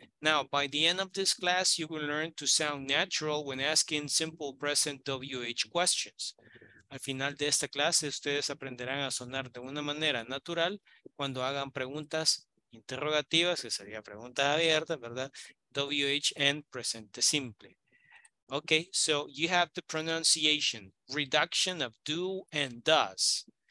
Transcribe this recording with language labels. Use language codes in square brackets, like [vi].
[en] Now, by the end of this class, you will learn to sound natural when asking simple present WH questions. [es] Al final de esta clase, ustedes aprenderán a sonar de una manera natural cuando hagan preguntas interrogativas, que sería preguntas abiertas, ¿verdad? WH en presente simple. [en] Ok, so you have the pronunciation, reduction of do and does.